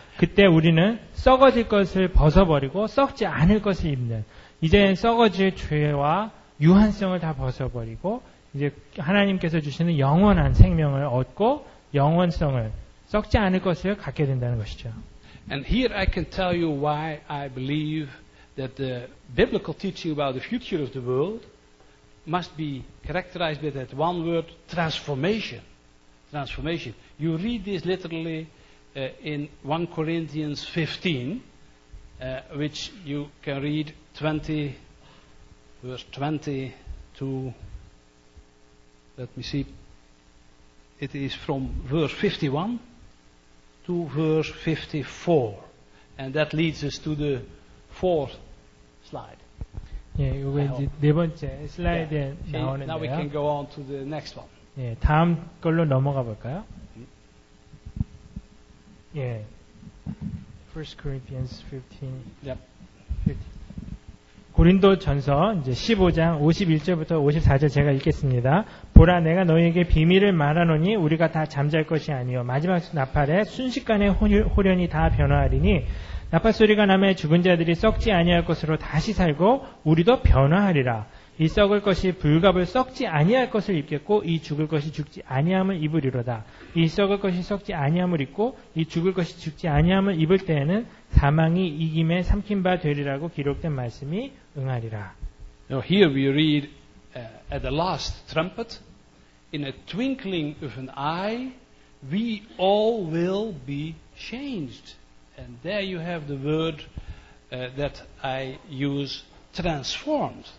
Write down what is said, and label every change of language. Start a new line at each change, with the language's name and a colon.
Korean: 그때 우리는 썩어질 것을 벗어버리고 썩지 않을 것을 입는 이제 썩어질 죄와 유한성을 다 벗어버리고 이제 하나님께서 주시는 영원한 생명을 얻고 영원성을 썩지 않을 것을 갖게 된다는 것이죠.
English: And here I can tell you why I believe that the biblical teaching about the future of the world must be characterized by that one word, transformation. Transformation. You read this literally in 1 Corinthians 15, which you can read 20, verse 20 to, let me see, it is from verse 51 to verse 54. And that leads us to the fourth slide.
Korean: 예, 요거 이제 네 번째 슬라이드에 나오는데요.
English: Now we can go on to the next one.
Korean: 예, 다음 걸로 넘어가 볼까요?
English: 예. 1 Corinthians 15. Yep.
Korean: 고린도전서 이제 15장 51절부터 54절 제가 읽겠습니다. 보라 내가 너희에게 비밀을 말하노니 우리가 다 잠잘 것이 아니요 마지막 나팔에 순식간에 홀연히 다 변화하리니 나팔 소리가 나매 죽은 자들이 썩지 아니할 것으로 다시 살고 우리도 변화하리라. 이 썩을 것이 불갑을 썩지 아니할 것을 입겠고 이 죽을 것이 죽지 아니함을 입으리로다. 이 썩을 것이 썩지 아니함을 입고 이 죽을 것이 죽지 아니함을 입을 때에는 사망이 이김에 삼킨 바 되리라고 기록된 말씀이 응하리라.
English: Now here we read at the last trumpet in a twinkling of an eye we all will be changed. And there you have the word that I use transformed.